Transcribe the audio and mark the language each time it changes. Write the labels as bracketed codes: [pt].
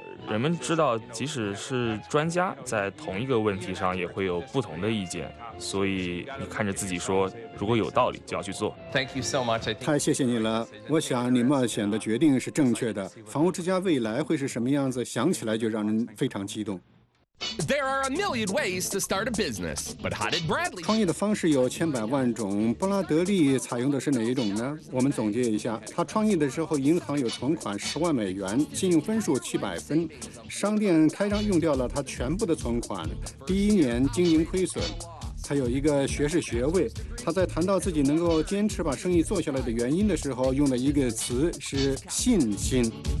[zh] 人们知道，即使是专家，在同一个问题上也会有不同的意见，所以你看着自己说，如果有道理就要去做。 [en] Thank you so much. [zh] 太谢谢你了。我想你冒险的决定是正确的。房屋之家未来会是什么样子，想起来就让人非常激动。 [en] There are a million ways to start a business, but how did Bradley? [zh] 创业的方式有千百万种，布拉德利采用的是哪一种呢？我们总结一下，他创业的时候银行有存款10万美元，信用分数700分，商店开张用掉了他全部的存款，第一年经营亏损。他有一个学士学位，他在谈到自己能够坚持把生意做下来的原因的时候，用了一个词是信心。